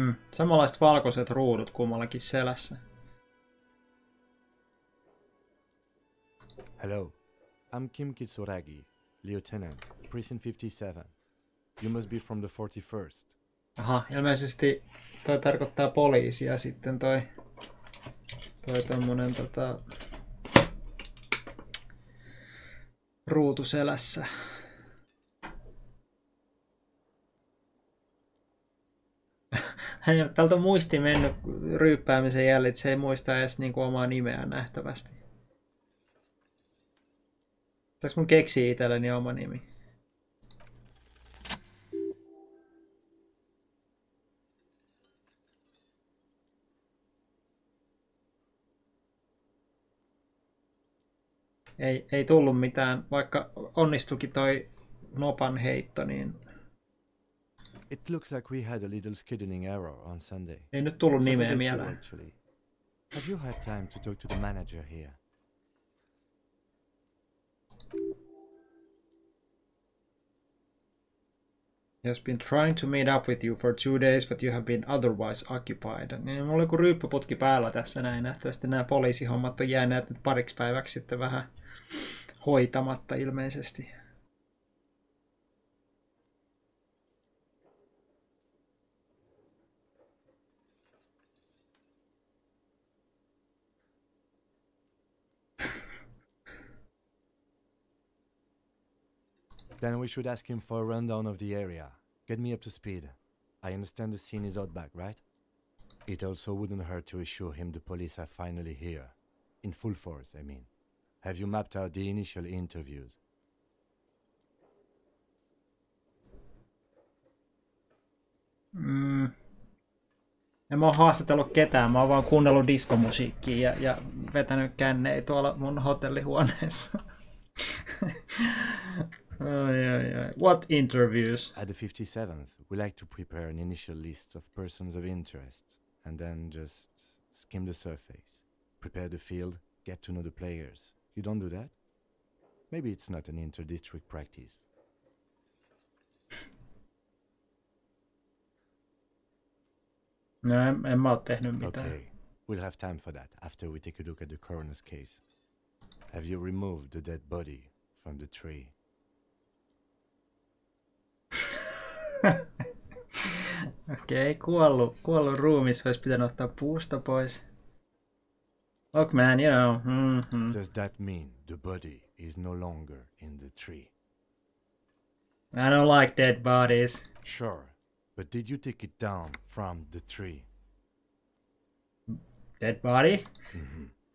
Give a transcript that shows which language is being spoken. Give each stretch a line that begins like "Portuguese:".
Finnish: Samanlaiset valkoiset ruudut kummallakin selässä.
English: Hello, I'm Kim Kitsuragi, Lieutenant. Prison 57. You must be from the 41st.
Finnish: Aha, ilmeisesti toi tarkoittaa poliisia sitten toi. Toi tommonen ruutu selässä. Täältä on muisti mennyt ryyppäämisen jälleen, että se ei muista edes niin kuin omaa nimeä nähtävästi. Tääks mun keksii itselleni oma nimi? Ei tullut mitään, vaikka onnistukin toi nopan heitto, niin...
English: It looks like we had a little skiddening error on Sunday.
Finnish: Ei nyt tullut nimeä mieleen.
English: Have you had time to talk to the manager here? He has been trying to meet up with you for 2 days, but you have been otherwise occupied.
Finnish: Niin, mulla on joku ryyppöputki päällä tässä näin. Nähtävästi nämä poliisihommat on jääneet nyt pariksi päiväksi sitten vähän hoitamatta ilmeisesti.
English: Then we should ask him for a rundown of the area. Get me up to speed. I understand the scene is out back, right? It also wouldn't hurt to assure him the police are finally here. In full force, I mean. Have you mapped out the initial interviews?
Finnish: En mä oon haastatellut ketään, mä oon vaan kuunnellut diskomusiikkiä ja vetänyt kännejä tuolla mun hotellihuoneessa.
English: Oh, yeah. What interviews? At the 57th, we like to prepare an initial list of persons of interest and then just skim the surface, prepare the field, get to know the players. You don't do that? Maybe it's not an inter-district practice.
Finnish: No, en mä oo tehnyt mitään.
English: Okay, we'll have time for that after we take a look at the coroner's case. Have you removed the dead body from the tree?
Finnish: Okei, kuollu ruumis olisi pitänyt ottaa puusta pois.
English: Look, man, you know. Does that mean the body is no longer in the tree? I don't like dead bodies. Sure, but did you take it down from the tree? Dead body? Mm-hmm.